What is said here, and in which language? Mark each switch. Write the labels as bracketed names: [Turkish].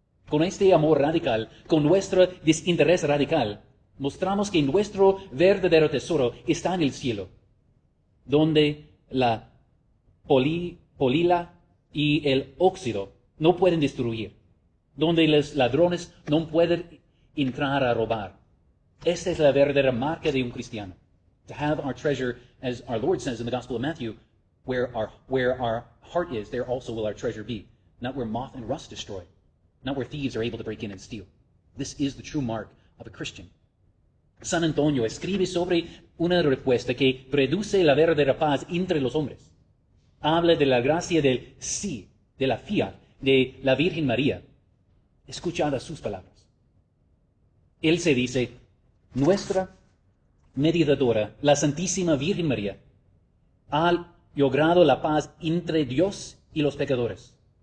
[Spanish] Con este amor radical, con nuestro desinterés radical, mostramos que nuestro verdadero tesoro está en el cielo, donde la polila y el óxido no pueden destruir, donde los ladrones no pueden entrar a robar. Esta es la verdadera marca de un cristiano. [English] To have our treasure, as our Lord says in the Gospel of Matthew, where our heart is, there also will our treasure be. Not where moth and rust destroy, not where thieves are able to break in and steal. This is the true mark of a Christian. [Spanish] San Antonio escribe sobre una respuesta que produce la verdadera paz entre los hombres. Habla de la gracia del sí, de la fiat, de la Virgen María. Escuchad sus palabras. Él se dice, nuestra mediadora, la Santísima Virgen María, ha logrado la paz entre Dios y los pecadores.